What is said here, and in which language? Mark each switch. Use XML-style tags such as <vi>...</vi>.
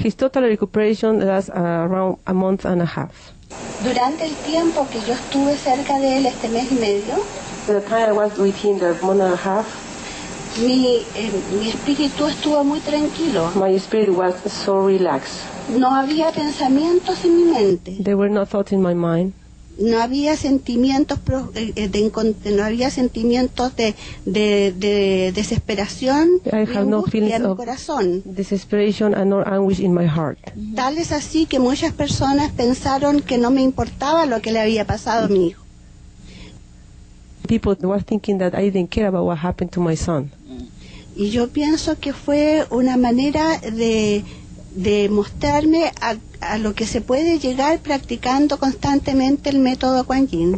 <en>His total recuperation lasts around a month and a half.</en> <es>Durante el tiempo que yo estuve cerca de él este mes y medio.</es> <en>The time I was with him, the month and a half.</en> <es>Mi espíritu estuvo muy tranquilo.</es> <en>My spirit was so relaxed.</en> <es>No había pensamientos en mi mente.</es> <en>There were no thoughts in my mind.</en> <es>No había sentimientos de desesperación ni angustia en mi corazón.</es> <en>Desperation and nor anguish in my heart.</en> <es>Tal es así que muchas personas pensaron que no me importaba lo que le había pasado a mi hijo.</es> <en>People were thinking that I didn't care about what happened to my son.</en> <es>Y yo pienso que fue una manera de mostrarme a lo que se puede llegar practicando constantemente el método Kuan Yin.</es>